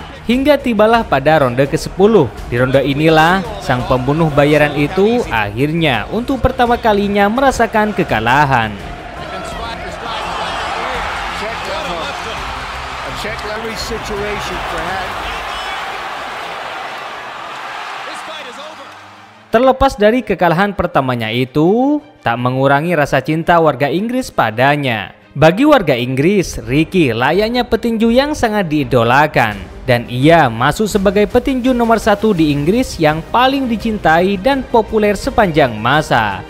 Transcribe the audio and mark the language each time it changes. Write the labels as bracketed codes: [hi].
[id] Hingga tibalah pada ronde ke-10. Di ronde inilah, sang pembunuh bayaran itu akhirnya untuk pertama kalinya merasakan kekalahan. [en] I've checked every situation for Hatton. [id] Terlepas dari kekalahan pertamanya itu, tak mengurangi rasa cinta warga Inggris padanya. Bagi warga Inggris, Ricky layaknya petinju yang sangat diidolakan. Dan ia masuk sebagai petinju nomor satu di Inggris yang paling dicintai dan populer sepanjang masa.